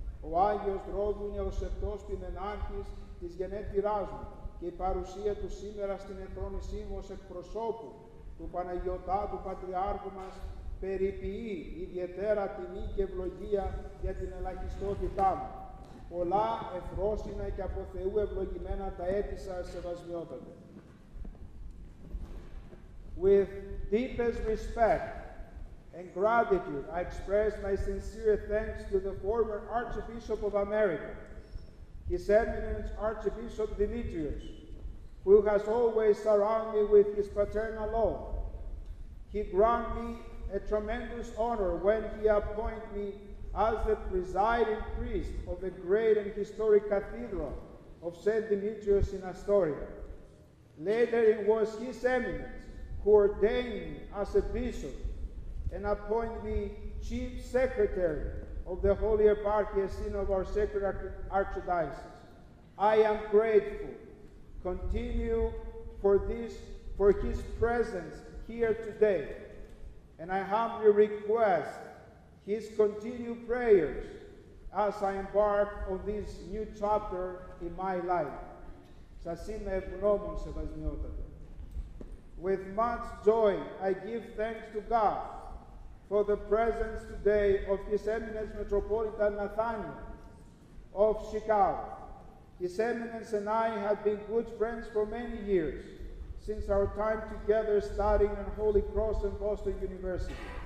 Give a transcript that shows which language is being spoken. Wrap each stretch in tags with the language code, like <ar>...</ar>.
<el>Ο Άγιος Ρόδου είναι ο σεπτός ποιμενάρχης της γενέτειράς μου και η παρουσία του σήμερα στην ενθρόνησή μου ως εκπροσώπου του Παναγιωτάτου Πατριάρχου μας περιποιεί ιδιαίτερα τιμή και ευλογία για την ελαχιστότητά μου. Πολλά ευρώσινα και από Θεού ευλογημένα τα έτη σας, Σεβασμιότατε.</el> <en>With deepest respect and gratitude, I express my sincere thanks to the former Archbishop of America, His Eminence Archbishop Dimitrios, who has always surrounded me with his paternal love. He granted me a tremendous honor when he appointed me as the presiding priest of the great and historic Cathedral of St. Dimitrios in Astoria. Later, it was His Eminence who ordained me as a bishop and appointed me chief secretary of the Holy Eparchy and Synod of our Sacred Archdiocese. I am grateful, continue for this, for his presence here today, and I humbly request his continued prayers as I embark on this new chapter in my life.</en> <el>Σας είμαι ευγνώμων, Σεβασμιότατε.</el> <en>With much joy, I give thanks to God for the presence today of His Eminence Metropolitan Nathaniel of Chicago. His Eminence and I have been good friends for many years, since our time together studying at Holy Cross and Boston University.</en>